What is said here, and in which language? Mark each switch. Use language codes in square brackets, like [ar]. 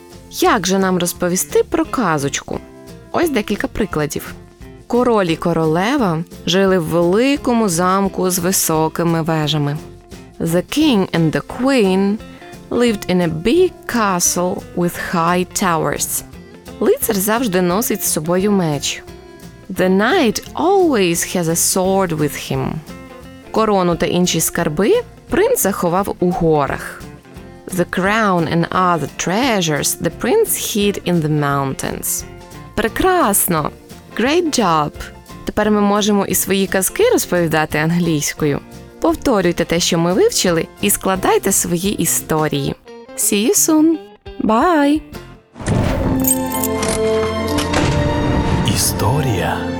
[uk] Як же нам розповісти про казочку? Ось декілька прикладів. Король і королева жили в великому замку з високими вежами. [en] The king and the queen lived in a big castle with high towers. [uk] Лицар завжди носить з собою меч. [en] The knight always has a sword with him. [uk] Корону та інші скарби принц заховав у горах. [en] The crown and other treasures the prince hid in the mountains. [uk] Прекрасно! [en] Great job! [uk] Тепер ми можемо і свої казки розповідати англійською. Повторюйте те, що ми вивчили, і складайте свої історії. [en] See you soon! Bye! [uk] Історія.